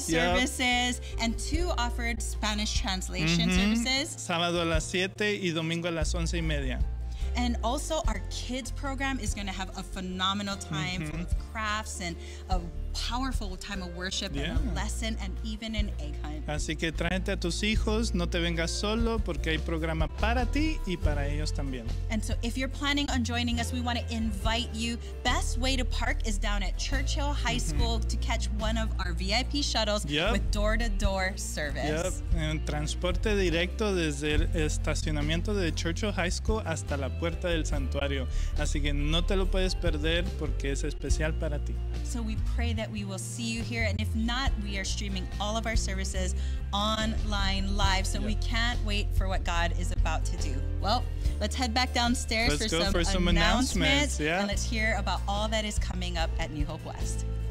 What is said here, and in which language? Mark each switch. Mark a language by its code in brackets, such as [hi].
[en] Services. Yep. And two offered Spanish translation services. [es] Sábado a las 7 y domingo a las 11:30. [en] And also our kids program is going to have a phenomenal time full of crafts and a powerful time of worship and a lesson and even an egg hunt. [es] Así que tráete a tus hijos, no te vengas solo porque hay programa para ti y para ellos también. [en] And so if you're planning on joining us, we want to invite you. Best way to park is down at Churchill High School to catch one of our VIP shuttles with door-to-door service. [es] Yep, en transporte directo desde el estacionamiento de Churchill High School hasta la puerta del santuario. Así que no te lo puedes perder porque es especial para ti. [en] So we pray that we will see you here, and if not, we are streaming all of our services online live, so we can't wait for what God is about to do. Well, let's head back downstairs for some announcements. And let's hear about all that is coming up at New Hope West.